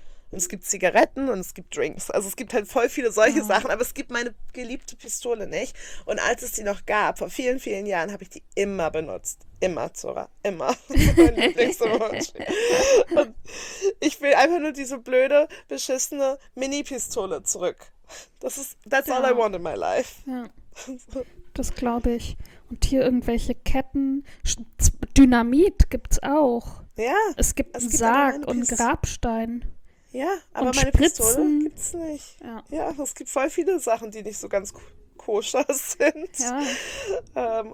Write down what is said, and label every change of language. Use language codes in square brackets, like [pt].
[de] Und es gibt Zigaretten und es gibt Drinks. Also es gibt halt voll viele solche Sachen, aber es gibt meine geliebte Pistole nicht. Und als es die noch gab, vor vielen, vielen Jahren, habe ich die immer benutzt. Immer, Zora. Immer. Mein Lieblings-Emoji. Und ich will einfach nur diese blöde, beschissene Mini-Pistole zurück. Das ist, [en] that's all I want in my life. [de] Ja. Das glaube ich. Und hier irgendwelche Ketten. Dynamit gibt's auch. Ja. Es gibt einen Sarg und Grabstein. Ja, aber und meine Spritzen. Pistole gibt's nicht. Ja. Ja, es gibt voll viele Sachen, die nicht so ganz koscher sind. Ja.